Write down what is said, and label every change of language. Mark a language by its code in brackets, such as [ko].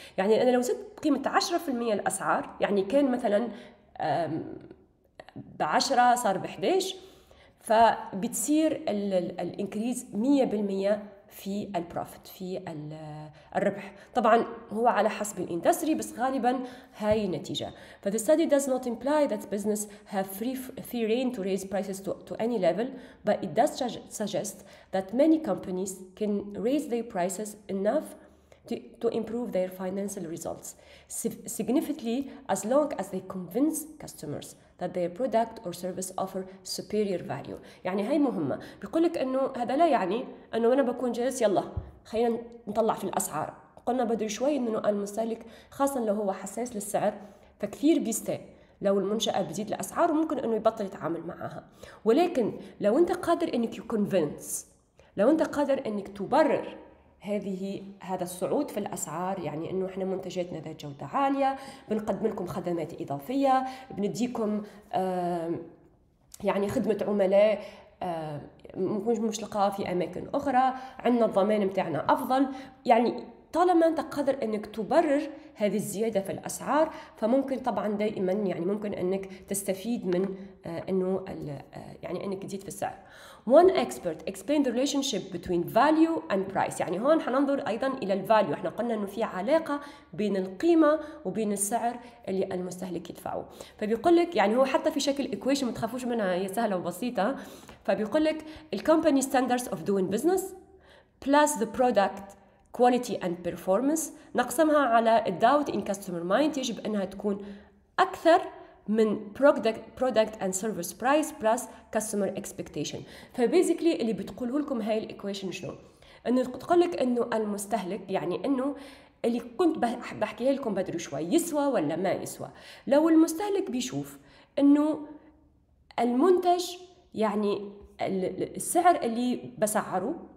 [ar] يعني أنا لو زدت قيمة 10% الأسعار، يعني كان مثلاً بعشرة صار بحداش، فبتصير الإنكريز 100% في البروفيت، في الربح. طبعا هو على حسب الاندستري، بس غالبا هاي النتيجة. [en] فthe study does not imply that business have free rein to raise prices to any level, but it does suggest that many companies can raise their prices enough to improve their financial results significantly as long as they convince customers that their product or service offer superior value. [ar] يعني هاي مهمة، بيقول لك انه هذا لا يعني انه انا بكون جالس يلا خلينا نطلع في الاسعار، قلنا بدري شوي انه المستهلك خاصة لو هو حساس للسعر فكثير بيستاء لو المنشأة بزيد الاسعار وممكن انه يبطل يتعامل معها. ولكن لو انت قادر انك convince، لو انت قادر انك تبرر هذا الصعود في الأسعار، يعني إنه إحنا منتجاتنا ذات جودة عالية، بنقدم لكم خدمات إضافية، بنديكم يعني خدمة عملاء مش لقاها في أماكن أخرى، عندنا الضمان متاعنا أفضل. يعني طالما أنت قادر إنك تبرر هذه الزيادة في الأسعار، فممكن طبعاً دائماً يعني ممكن إنك تستفيد من إنه يعني إنك تزيد في السعر. [en] One expert explained the relationship between value and price. [ar] يعني هون حننظر أيضاً إلى الفاليو، إحنا قلنا إنه في علاقة بين القيمة وبين السعر اللي المستهلك يدفعه. فبيقول لك يعني هو حتى في شكل equation، متخافوش منها هي سهلة وبسيطة. فبيقول لك [en] the company standards of doing business plus the product quality and performance، [ar] نقسمها على [en] doubt in customer mind [ar] يجب أنها تكون أكثر من [en] product and service price plus customer expectation. [ar] فبيزيكلي اللي بتقوله لكم هاي الإكويشن شنو؟ أنه تقول لك أنه المستهلك، يعني أنه اللي كنت بحكيها لكم بدري شوي، يسوى ولا ما يسوى؟ لو المستهلك بيشوف أنه المنتج يعني السعر اللي بسعره